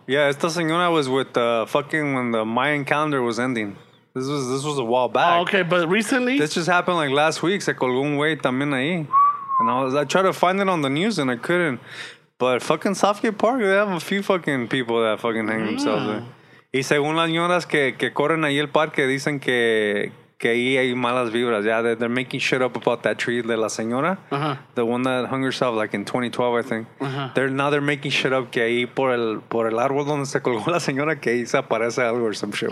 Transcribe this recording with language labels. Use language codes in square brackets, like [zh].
[en] Yeah, [es] esta señora [en] was with the fucking, when the Mayan calendar was ending. This was a while back. Oh, okay, but recently? This just happened like last week. [es] Se colgó un güey también ahí. [en] And I tried to find it on the news and I couldn't. But fucking Southgate Park, they have a few fucking people that fucking hang themselves there. [es] Y según las señoras que corren ahí el parque, dicen que ahí hay malas vibras. [en] Yeah, they're making shit up about that tree [es] de la señora. Uh-huh. [en] The one that hung herself like in 2012, I think. Uh-huh. They're making shit up [es] que ahí por el árbol donde se colgó la señora, que ahí se aparece algo [en] or some shit.